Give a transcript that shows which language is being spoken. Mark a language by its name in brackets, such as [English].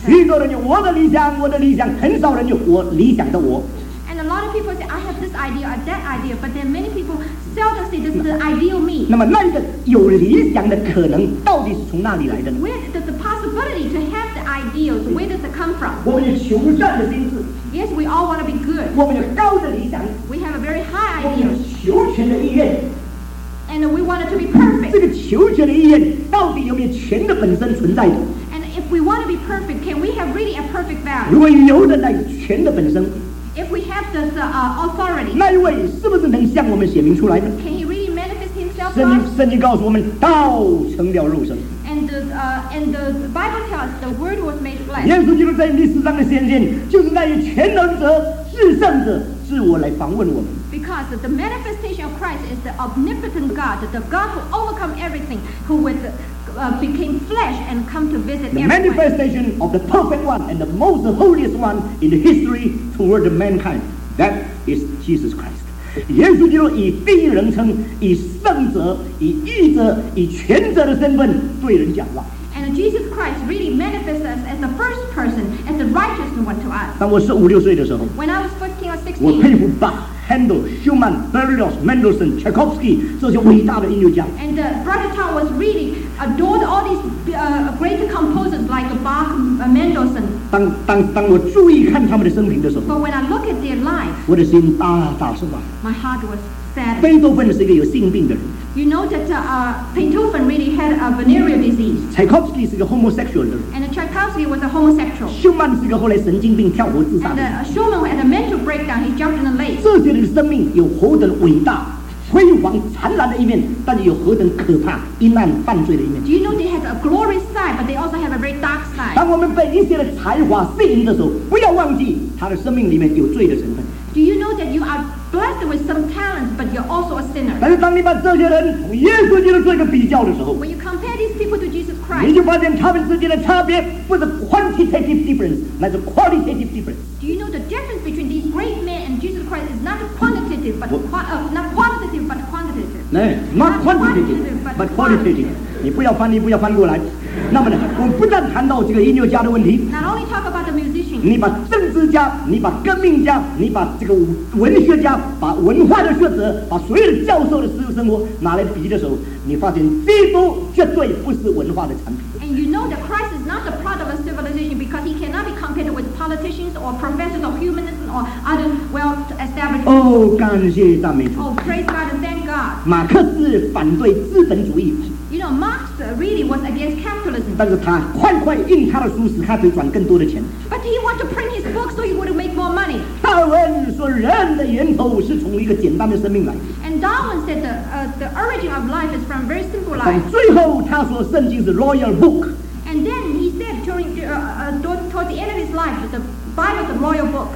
[Chinese] 许多人有我的理想，我的理想，很少人有我理想的我。 [English] A lot of people say, I have this idea or that idea, but then many people seldom say, this is the ideal me. [Chinese] 那么那个有理想的可能到底是从哪里来的呢？ [English] Where does the possibility to have the ideals, where does it come from? [Chinese] 我们有求善的心志。 [English] Yes, we all want to be good. [Chinese] 我们有高的理想。 [English] We have a very high idea. [Chinese] 我们有求全的意愿。 [English] And we want it to be perfect. [Chinese] 这个求全的意愿到底有没有全的本身存在的？ [English] And if we want to be perfect, can we have really a perfect value? [Chinese] 如果有的那个全的本身， [English] If we have the authority, [Chinese] 那一位是不是能向我们显明出来呢？ [English] Can he really manifest himself? [Chinese] 圣经告诉我们，道成了肉身。 [English] And the Bible tells us the Word was made flesh. [Chinese] 耶稣基督在历史上的显现，就是那一全能者、至圣者自我来访问我们。 [English] Because the manifestation of Christ is the omnipotent God, the God who overcome everything, who withbecame flesh and come to visit the manifestation of the perfect one and the most holiest one in the history toward mankind. That is Jesus Christ. [Chinese] 耶稣基督以第一人称，以圣者，以义者，以全者的身份对人讲话。 [English] And Jesus Christ really manifests us as the first person, as the righteous one to us. [Chinese] 当我是五六岁的时候 [English] ，When I was 15 or 16, [Chinese] 我佩服吧。Handel, Schumann, Berlioz, Mendelssohn, Tchaikovsky, 这些伟大的音乐家。 [English] And Bratislava was really adored all these great composers like Bach, Mendelssohn. [Chinese] 当我注意看他们的生平的时候 [English] ，But when I look at their life, [Chinese] 我的心大大受感。 [English] My heart was Beethoven You know that Beethoven really had a venereal disease. Tchaikovsky is a homosexual. And Tchaikovsky was a homosexual. [Chinese] Schumann 是个后来神经病跳楼自杀。 [English] And Schumann had a mental breakdown. He jumped in the lake. 这 [Chinese] 些人的生命有何等伟大、辉煌、灿烂的一面，但是有何等可怕、阴暗、犯罪的一面？ [English] Do you know they had a glorious side, but they also have a very dark side? [Chinese] 当我们被一些的才华吸引的时候，不要忘记他的生命里面有罪的成分。 [English] Do you know that you are blessed with some talents, but you're also a sinner? [Chinese] 但是当你把这些人与耶稣基督做一个比较的时候 [English] ，When you compare these people to Jesus Christ, [Chinese] 你就发现他们之间的差别不是 [English] quantitative difference, [Chinese] 乃是 [English] qualitative difference. Do you know the difference between these great men and Jesus Christ is not quantitative, but not quantitative, but qualitative. [Chinese] 你不要翻译，不要翻过来。那么呢，我不但谈到这个音乐家的问题。 [English] Not only talk about the musician. [Chinese] 你把政治家，你把革命家，你把这个文学家，把文化的学者，把所有的教授的私生活拿来比的时候，你发现基督绝对不是文化的产品。 [English] And you know that Christ is not the product of a civilization because he cannot be compared with politicians or professors of humanism or other well-established. [Chinese] Oh, 感谢赞美主。 [English] Oh, praise God and thank God. [Chinese] 马克思反对资本主义。 [English] You know, Marx really was against capitalism. [Chinese] 但是他快快印他的书，使他得赚更多的钱。 [English] But he wanted to print his book so he would make more money. [Chinese] 达尔文说，人的源头是从一个简单的生命来。 [English] And Darwin said the origin of life is from a very simple life. [Chinese] 但最后他说，圣经是 [English] royal book. And then he said toward the end of his life, the Bible, the royal book.